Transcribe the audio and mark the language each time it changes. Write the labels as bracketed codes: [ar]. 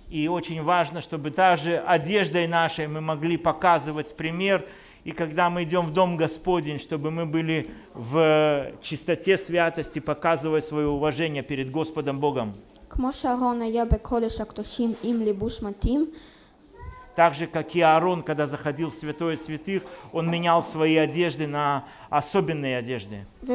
[ru] И очень важно, чтобы даже одеждой нашей мы могли показывать пример, и когда мы идем в дом Господень, чтобы мы были в чистоте святости, показывая свое уважение перед Господом Богом. [he] כמו שארון היה בקודש הקדושים עם לבוש מתאים, [ru] так же, как и Аарон, когда заходил в Святое Святых, он менял свои одежды на особенные одежды.